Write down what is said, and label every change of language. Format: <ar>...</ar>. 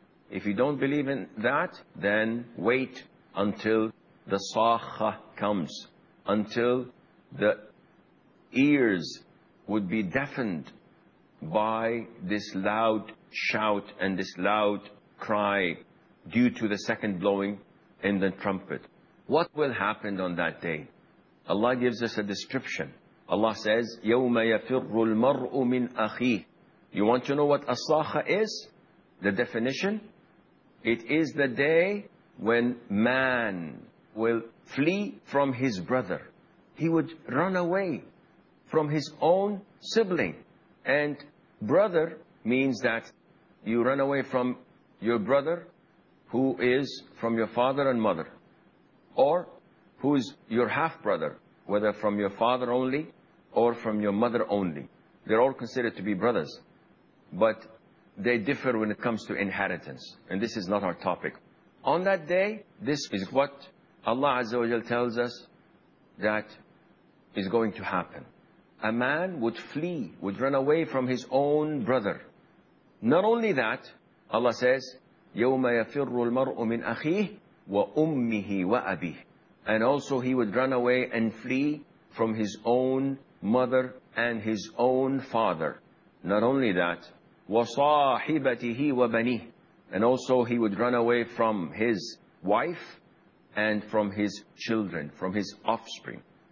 <en>If you don't believe in that, then wait until the Sakha comes, until the ears would be deafened by this loud shout and this loud cry due to the second blowing in the trumpet. What will happen on that day? Allah gives us a description. Allah says,</en> <ar>يَوْمَ يَفِرُّ الْمَرْءُ مِنْ أَخِيهِ.</ar> <en>You want to know what As-Sakha is? The definition? It is the day when man will flee from his brother. He would run away from his own sibling. And brother means that you run away from your brother who is from your father and mother, or who is your half-brother, whether from your father only or from your mother only. They're all considered to be brothers, but they differ when it comes to inheritance. And this is not our topic. On that day, this is what Allah Azza wa Jal tells us that is going to happen. A man would flee, would run away from his own brother. Not only that, Allah says,</en> <ar>يَوْمَ يَفِرُّ الْمَرْءُ مِنْ أَخِيهِ وَأُمِّهِ وَأَبِيهِ.</ar> <en>And also he would run away and flee from his own mother and his own father. Not only that,</en> <ar>وَصَاحِبَتِهِ وَبَنِيهِ.</ar> <en>And also he would run away from his wife and from his children, from his offspring.</en>